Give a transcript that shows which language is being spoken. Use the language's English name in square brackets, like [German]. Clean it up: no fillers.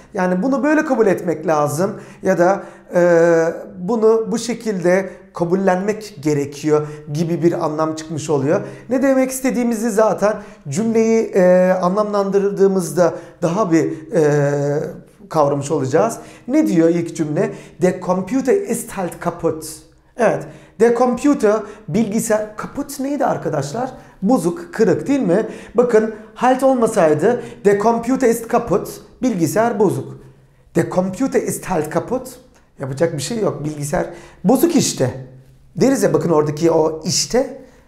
[Turkish] Yani bunu böyle kabul etmek lazım ya da bunu bu şekilde kabullenmek gerekiyor gibi bir anlam çıkmış oluyor. Ne demek istediğimizi zaten cümleyi anlamlandırdığımızda daha bir kavramış olacağız. Ne diyor ilk cümle? [German] Der Computer ist halt kaputt. [Turkish] Evet. Der Computer, bilgisayar, kaputt neydi arkadaşlar? Bozuk, kırık, değil mi? Bakın, halt olmasaydı, [German] der Computer ist kaputt, [Turkish] bilgisayar bozuk. [German] Der Computer ist halt kaputt, [Turkish] yapacak bir şey yok, bilgisayar bozuk işte. Deriz ya, bakın oradaki o işte,